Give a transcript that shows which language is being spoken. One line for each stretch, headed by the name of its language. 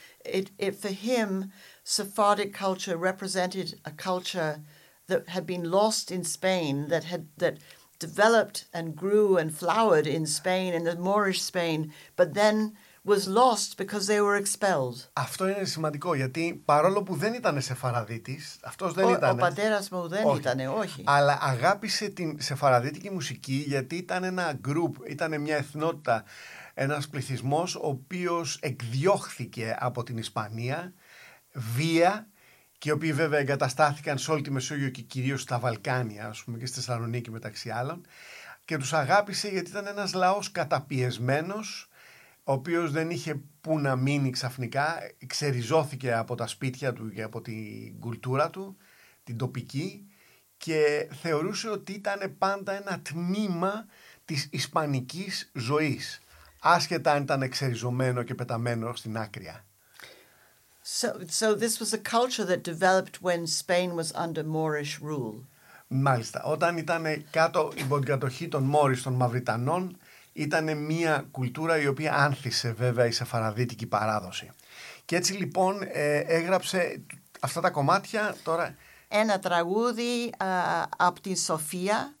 English: it for him, Sephardic culture represented a culture that had been lost in Spain, that developed and grew and flowered in Spain, in the Moorish Spain, but then was lost because they were expelled.
Greek: Αυτό είναι σημαντικό, γιατί παρόλο που δεν ήταν Σεφαραδίτης, αυτός δεν ήταν. Ο πατέρας μου δεν ήταν, όχι. Αλλά αγάπησε την Σεφαραδίτικη μουσική, γιατί ήταν ένα group, ήταν μια εθνότητα, ένας πληθυσμός, ο οποίος εκδιώχθηκε από την Ισπανία, βία, και οι οποίοι βέβαια εγκαταστάθηκαν σε όλη τη Μεσόγειο και κυρίως στα Βαλκάνια, ας πούμε, και στη Θεσσαλονίκη μεταξύ άλλων. Και τους αγάπησε γιατί ήταν ένας λαός καταπιεσμένος, ο οποίος δεν είχε πού να μείνει ξαφνικά, ξεριζώθηκε από τα σπίτια του και από την κουλτούρα του, την τοπική, και θεωρούσε ότι ήταν πάντα ένα τμήμα της ισπανικής ζωής, άσχετα αν ήταν ξεριζωμένο και πεταμένο στην άκρη.
English: So this was a culture that developed when Spain was under Moorish rule.
Greek: Μάλιστα. Όταν ήταν κάτω υπό την κατοχή των Μόρις, των Μαυριτανών, ήταν μια κουλτούρα η οποία άνθησε βέβαια η σεφαραδίτικη παράδοση. Και έτσι λοιπόν έγραψε αυτά τα κομμάτια τώρα. Ένα τραγούδι από τη Σοφία.